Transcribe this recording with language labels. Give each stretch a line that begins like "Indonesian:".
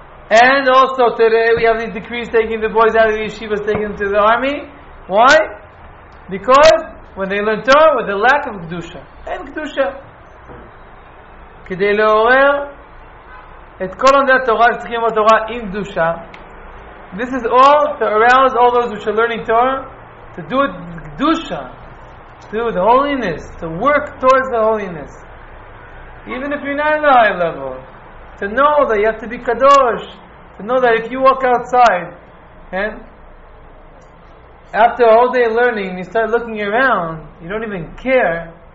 English: And also today we have these decrees taking the boys out of the yeshivas, taking them to the army. Why? Because when they learn Torah, with the lack of Kedusha. And Kedusha.
Hebrew: כדי לעורר את כל עמדי התורה שצריכים ללמוד תורה עם קדושה.
English: This is all to arouse all those which are learning Torah to do it with Kedusha. To do it with holiness. To work towards the holiness. Even if you're not in the high level. To know that you have to be kadosh. To know that if you walk outside, and after all day learning, you start looking around, you don't even care.